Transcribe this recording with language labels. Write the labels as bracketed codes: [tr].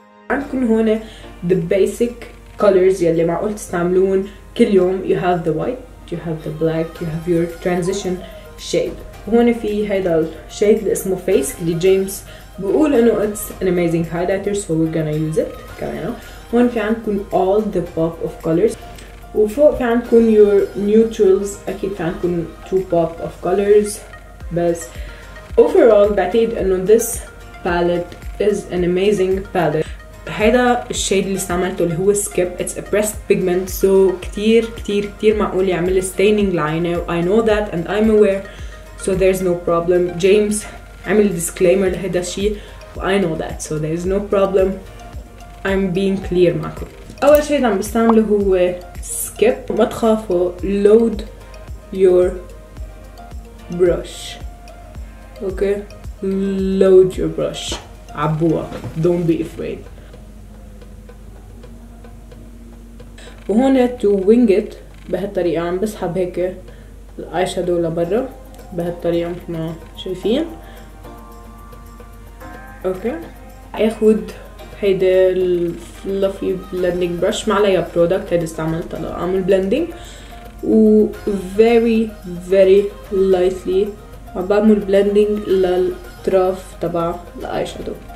[ar] عندكم هون [en] the basic colors [ar] يلي معقول تستعملون كل يوم. [en] You have the white, you have the black, you have your transition shade. [ar] هون في هيدا الشيد اللي اسمه [en] face اللي James [ar] بقول انه [en] it's an amazing highlighter so we're gonna use it كمان. [ar] هون في عندكم [en] all the pop of colors [ar] وفوق في عندكم [en] your neutrals. [ar] اكيد في عندكم [en] two pop of colors بس overall [ar] بعتقد انه [en] this palette is an amazing palette. [ar] هيدا الشيد اللي استعملته اللي هو skip [en] it's a pressed pigment so [ar] كتير كتير كتير معقول يعمل staining لعينه. [en] I know that and I'm aware so there's no problem. James عمل disclaimer [ar] لهيدا الشي [en] I know that so there's no problem. I'm being clear [ar] معكم. أول شيء عم بستعمله هو skip. ما تخافوا [en] load your brush. Okay load your brush [ar] عبوها [en] don't be afraid. [ar] وهون [en] to wing it [ar] بهالطريقة عم بسحب هيك الاي شادو لبرا بهالطريقة مثل ما شايفين. اوكي اخد هيدا الفلافي بلندنج برش ما عليها برودكت هيدا استعملتها لاعمل بلندنج و [en] very very lightly [ar] عم بعمل بلندنج للطرف تبع الاي شادو.